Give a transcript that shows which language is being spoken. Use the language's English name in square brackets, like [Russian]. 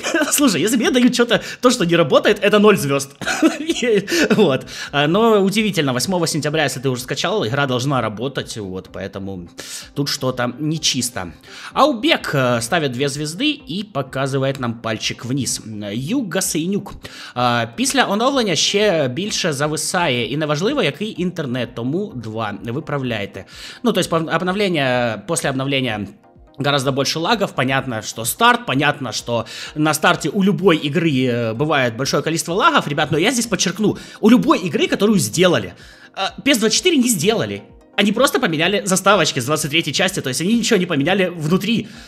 [Russian] Слушай, если мне дают что-то, то, что не работает, это 0 звезд. Вот. Но удивительно, 8 сентября, если ты уже скачал, игра должна работать, вот, поэтому тут что-то нечисто. Аубек ставит 2 звезды и показывает нам пальчик вниз. Югасейнюк. [Ukrainian] Після оновлення ще більше зависає, і неважливо, який інтернет, тому 2 виправляйте. [Russian] Ну, то есть, обновление, после обновления... Гораздо больше лагов, понятно, что старт, понятно, что на старте у любой игры бывает большое количество лагов, ребят, но я здесь подчеркну, у любой игры, которую сделали, PS24 не сделали, они просто поменяли заставочки с 23-й части, то есть они ничего не поменяли внутри,